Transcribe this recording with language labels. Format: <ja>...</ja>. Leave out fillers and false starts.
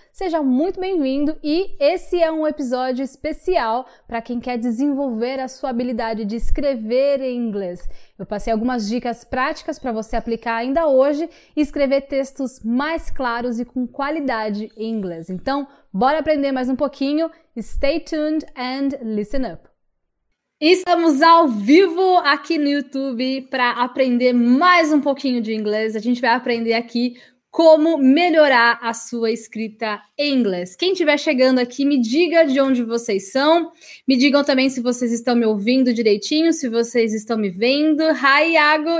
<pt>Seja muito bem-vindo e esse é um episódio especial para quem quer desenvolver a sua habilidade de escrever em inglês. Eu passei algumas dicas práticas para você aplicar ainda hoje e escrever textos mais claros e com qualidade em inglês. Então, bora aprender mais um pouquinho.</pt> <en>Stay tuned and listen up.</en> <pt>Estamos ao vivo aqui no YouTube para aprender mais um pouquinho de inglês. A gente vai aprender aqui como melhorar a sua escrita em inglês. Quem estiver chegando aqui, me diga de onde vocês são. Me digam também se vocês estão me ouvindo direitinho, se vocês estão me vendo. Hi, Iago!</pt>